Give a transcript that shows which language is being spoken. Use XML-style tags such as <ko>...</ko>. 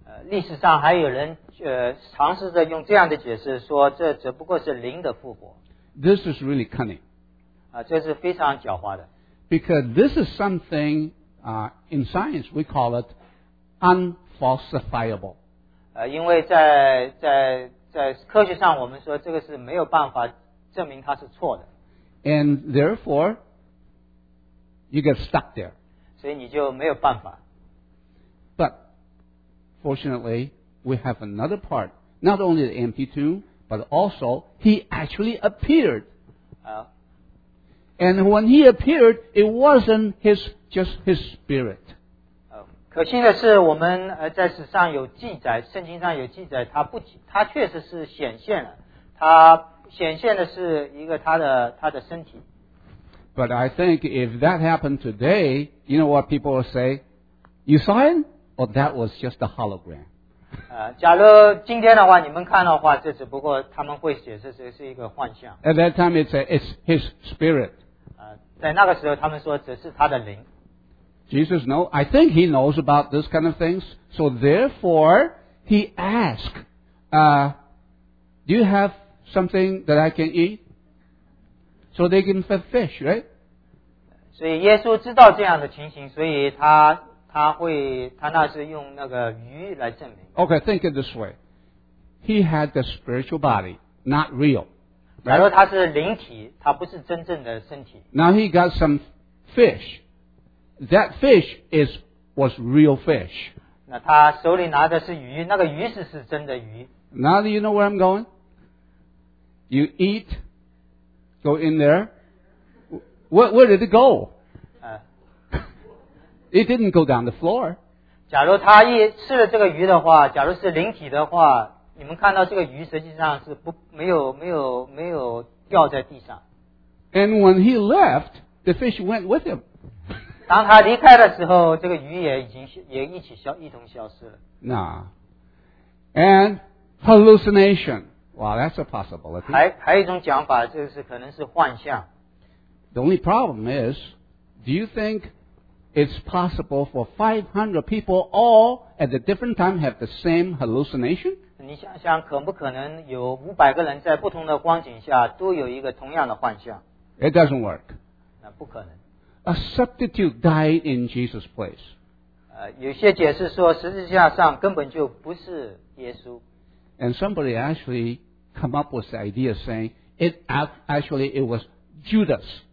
<zh>历史上还有人尝试着用这样的解释说这只不过是灵的复活。</zh> <en>This is really cunning.</en> <zh>这是非常狡猾的。</zh> <en>Because this is something in science we call it unfalsifiable.</en> <zh>因为在科学上，我们说这个是没有办法证明它是错的。</zh> <en>And therefore, you get stuck there.</en> <zh>所以你就没有办法。</zh> <en>But fortunately, we have another part. Not only the empty tomb, but also he actually appeared. And when he appeared, it wasn't just his spirit.</en> <zh>可信的是，我们在史上有记载，圣经上有记载，他确实是显现了，他显现的是一个他的身体。</zh> <en>But I think if that happened today, you know what people will say? You saw him, or that was just a hologram?</en> <zh>假如今天的话，你们看到的话，这只不过他们会解释是一个幻象。</zh> <en>At that time, it's his spirit.</en> <zh>在那个时候，他们说只是他的灵。</zh> <en>Jesus knows, I think he knows about this kind of things, so therefore he asked, do you have something that I can eat? So they can feed fish, right?</en> <zh>所以耶稣知道这样的情形，所以他那是用那个鱼来证明。</zh> <en>Okay, think it this way. He had the spiritual body, not real.</en> <zh>假如他是灵体，他不是真正的身体。</zh> <en>Now he got some fish. That fish was real fish.</en> <zh>那他手里拿的是鱼，那个鱼是真的鱼。</zh> <en>Now do you know where I'm going? You eat, go in there. Where did it go? It didn't go down the floor.</en> <zh>假如他一吃了这个鱼的话，假如是灵体的话，你们看到这个鱼实际上是不没有没有没有掉在地上。</zh> <en>And when he left, the fish went with him.</en> <zh>当他离开的时候，这个鱼也一起消一同消失了。</zh> <en>那、and hallucination, wow, that's a possibility.</en> <zh>还有一种讲法，就是可能是幻象。</zh> <en>The only problem is, do you think it's possible for 500 people all at a different time have the same hallucination?</en> <zh>你想想，可不可能有500个人在不同的光景下都有一个同样的幻象</zh> <en>？It doesn't work.</en> <zh>那不可能。</zh> <en>A substitute died in Jesus' place.</en> <zh>有些解释说实际上根本就不是耶稣。</zh> <en>And somebody actually come up with the idea saying, it was Judas.</en>